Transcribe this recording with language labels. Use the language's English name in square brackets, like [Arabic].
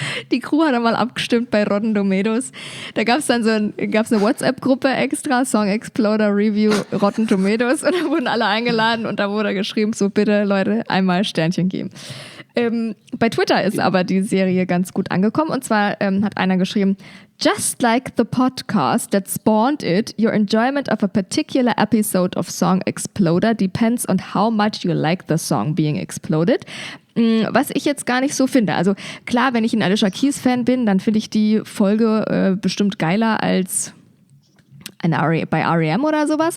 [German] Die Crew hat einmal abgestimmt bei Rotten Tomatoes. Da gab es dann gab's eine WhatsApp-Gruppe extra, Song Exploder Review Rotten Tomatoes. Und da wurden alle eingeladen und da wurde geschrieben, so bitte Leute, einmal Sternchen geben. Bei Twitter ist aber die Serie ganz gut angekommen. Und zwar hat einer geschrieben, [English] just like the podcast that spawned it, your enjoyment of a particular episode of Song Exploder depends on how much you like the song being exploded. [German] Was ich jetzt gar nicht so finde. Also klar, wenn ich ein Alicia Keys-Fan bin, dann finde ich die Folge bestimmt geiler als bei R.E.M. oder sowas.